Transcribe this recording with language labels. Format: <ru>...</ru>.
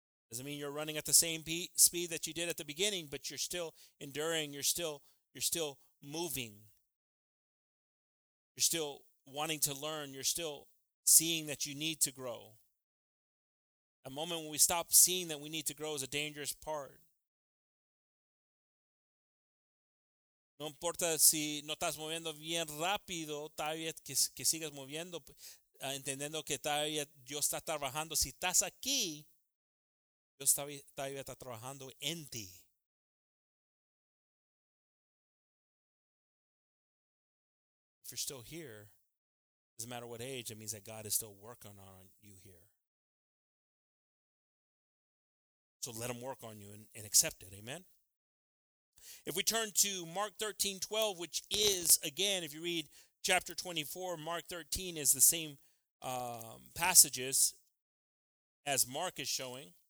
<en>Doesn't mean you're running at the same speed that you did at the beginning, but you're still enduring. You're still moving. You're still wanting to learn. You're still seeing that you need to grow. A moment when we stop seeing that we need to grow is a dangerous part.</en> <es>No importa si no estás moviendo bien rápido, todavía que sigas moviendo, entendiendo que todavía Dios está trabajando. Si estás aquí, Dios todavía está trabajando en ti.</es> <en>If you're still here, doesn't matter what age, it means that God is still working on you here. So let Him work on you and accept it. Amen? If we turn to Mark 13, 12, which is, again, if you read chapter 24, Mark 13 is the same passages as Mark is showing.</en>